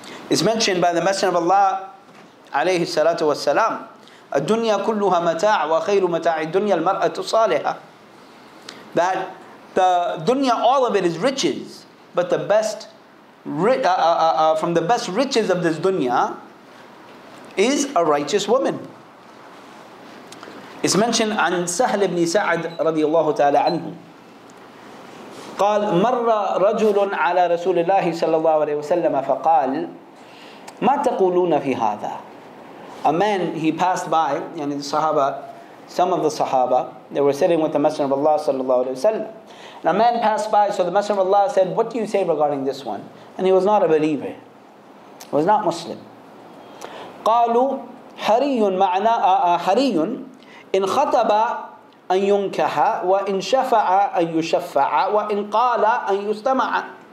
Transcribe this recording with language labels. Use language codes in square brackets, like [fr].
[en] It's mentioned by the Messenger of Allah, alayhi salatu wasalam, [ar] الدُّنْيَا كُلُّهَا مَتَاعٌ وَخَيْرُ مَتَاعِ الدُّنْيَا الْمَرْأَةُ صَالِحَةٌ. [en] That the dunya, all of it is riches, but the best from the best riches of this dunya is a righteous woman. It's mentioned [ar] عن سهل بن سعد رضي الله تعالى عنه قال مر رجل على رسول الله صلى الله عليه وسلم فقال ما تقولون في هذا. [en] A man, he passed by, and the Sahaba, some of the Sahaba, they were sitting with the Messenger of Allah sallallahu alayhi wa sallam. And a man passed by, so the Messenger of Allah said, what do you say regarding this one? And he was not a believer. He was not Muslim. [ar] قَالُوا حَرِيٌّ مَعْنَا حَرِيٌّ إِنْ خَطَبَ أَنْ يُنْكَحَ وَإِنْ شَفَعَ أَنْ يُشَفَّعَ وَإِنْ قَالَ أَنْ يُسْتَمَعَ.